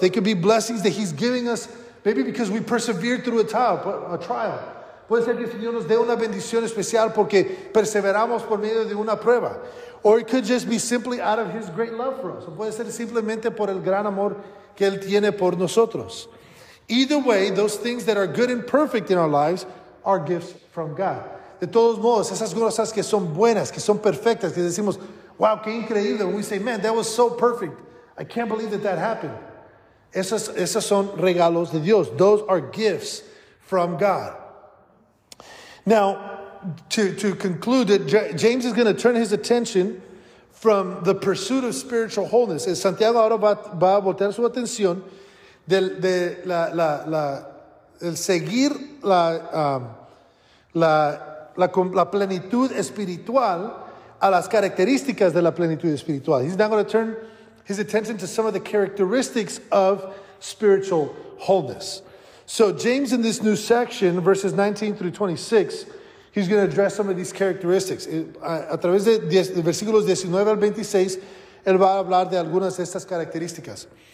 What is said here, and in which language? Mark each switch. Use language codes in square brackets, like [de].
[en] They could be blessings that he's giving us, maybe because we persevered through a trial. [es] Puede ser que el Señor nos dé una bendición especial porque perseveramos por medio de una prueba. [en] Or it could just be simply out of his great love for us. [es] O puede ser simplemente por el gran amor que él tiene por nosotros. [en] Either way, those things that are good and perfect in our lives are gifts from God. [es] De todos modos, esas cosas que son buenas, que son perfectas, que decimos, wow, qué increíble. [en] When we say, man, that was so perfect. I can't believe that that happened. [es] Esas son regalos de Dios. [en] Those are gifts from God. Now, to conclude, James is going to turn his attention from the pursuit of spiritual wholeness. [es] Santiago ahora va a voltear su atención del seguir la plenitud espiritual a las características de la plenitud espiritual. [en] He's now going to turn his attention to some of the characteristics of spiritual wholeness. So James, in this new section, verses 19 through 26, he's going to address some of these characteristics. [es] A través de versículos 19 al 26, él va a hablar de algunas de estas características.